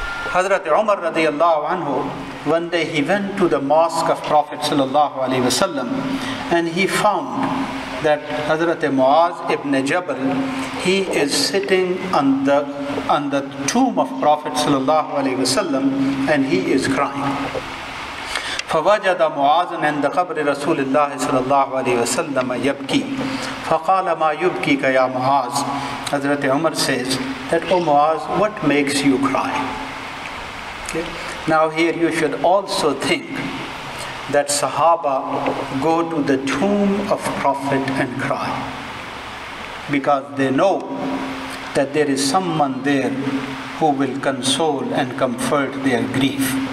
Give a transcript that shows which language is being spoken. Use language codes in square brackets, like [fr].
[en] Hazrat Umar radiallahu anhu, one day he went to the mosque of Prophet sallallahu alaihi wasallam, and he found that Hazrat Muaz ibn Jabal, he is sitting on the tomb of Prophet sallallahu alaihi wasallam, and he is crying. [ar] فوجد معاذ عند قبر رسول الله صلى الله عليه وسلم يبكي فقال ما يبكيك يا معاذ. [en] Hazrat Umar says that, oh Muaz, what makes you cry? Okay. Now here you should also think that Sahaba go to the tomb of Prophet and cry because they know that there is someone there who will console and comfort their grief.